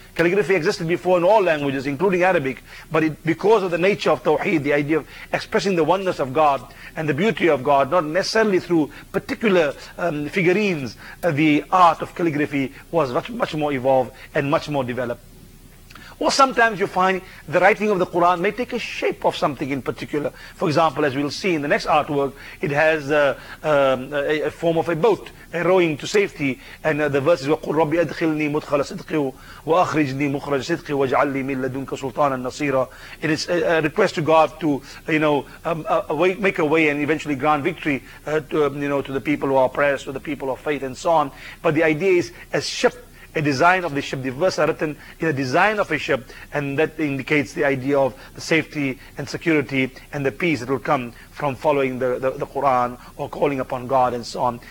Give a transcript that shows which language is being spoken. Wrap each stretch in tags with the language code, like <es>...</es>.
<en>Calligraphy existed before in all languages, including Arabic, but because of the nature of Tawheed, the idea of expressing the oneness of God and the beauty of God, not necessarily through particular figurines, the art of calligraphy was much, much more evolved and much more developed. Or sometimes you find the writing of the Quran may take a shape of something in particular. For example, as we'll see in the next artwork, it has a form of a boat, a rowing to safety. And the verses were,</en> <ar>قُلْ رَبِّ أَدْخِلْنِي مُدْخَلَ صِدْقِي وَأَخْرِجْنِي مُخْرَجَ صِدْقِي وَاجْعَلْ لِي مِنْ لَدُنْكَ سُلْطَانًا نَصِيرًا.</ar> <en>It is a request to God to, make a way and eventually grant victory to the people who are oppressed, to the people of faith, and so on. But the idea is, as ship, a design of the ship. The verse are written in a design of a ship, and that indicates the idea of the safety and security and the peace that will come from following the Quran or calling upon God and so on.</en>